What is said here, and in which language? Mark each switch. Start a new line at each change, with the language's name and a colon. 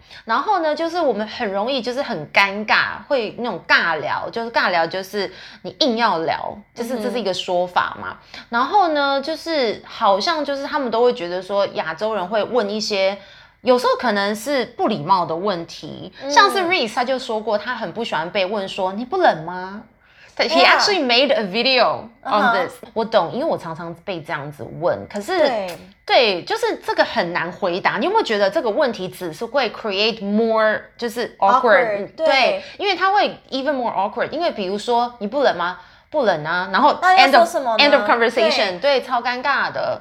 Chinese: 然后呢，就是我们很容易就是很尴尬，会那种尬聊，就是尬聊就是你硬要聊，就是这是一个说法嘛。嗯、然后呢，就是好像就是他们都会觉得说亚洲人会问一些。有时候可能是不礼貌的问题、嗯、像是 Reese 他就说过他很不喜欢被问说你不冷吗？
English: He actually made a video on this.、Uh-huh.
Chinese: 我懂，因为我常常被这样子问。可是对，就是这个很难回答。你有没有觉得这个问题只是会
English: create more
Chinese: 就是 awkward？对，因为它会
English: even more awkward。
Chinese: 因为比如说你不冷吗？不冷啊，然后
English: end of,
Chinese: 那要说什么
English: end of conversation，
Chinese: 对，超尴尬的。